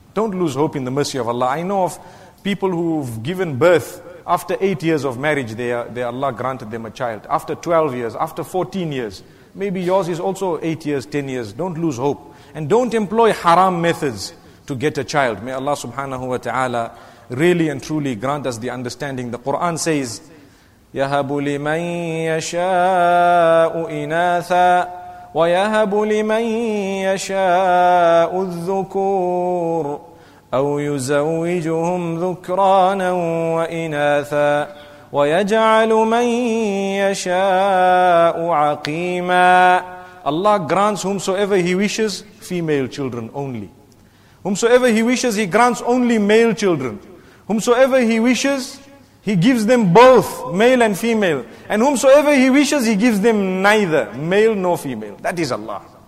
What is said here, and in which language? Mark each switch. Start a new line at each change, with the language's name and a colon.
English: Don't lose hope in the mercy of Allah. I know of people who've given birth after 8 years of marriage, they Allah granted them a child. After 12 years, after 14 years. Maybe yours is also 8 years, 10 years. Don't lose hope. And don't employ haram methods to get a child. May Allah subhanahu wa ta'ala really and truly grant us the understanding. The Quran says,
Arabic: يَهَبُ لِمَنْ يَشَاءُ إِنَاثًا وَيَهَبُ لِمَنْ يَشَاءُ الذُّكُورُ أَوْ يُزَوِّجُهُمْ ذُكْرَانًا وَإِنَاثًا وَيَجْعَلُ مَنْ يَشَاءُ عَقِيمًا.
English: Allah grants whomsoever He wishes female children only. Whomsoever He wishes, He grants only male children. Whomsoever He wishes, He gives them both, male and female. And whomsoever He wishes, He gives them neither, male nor female. That is Allah.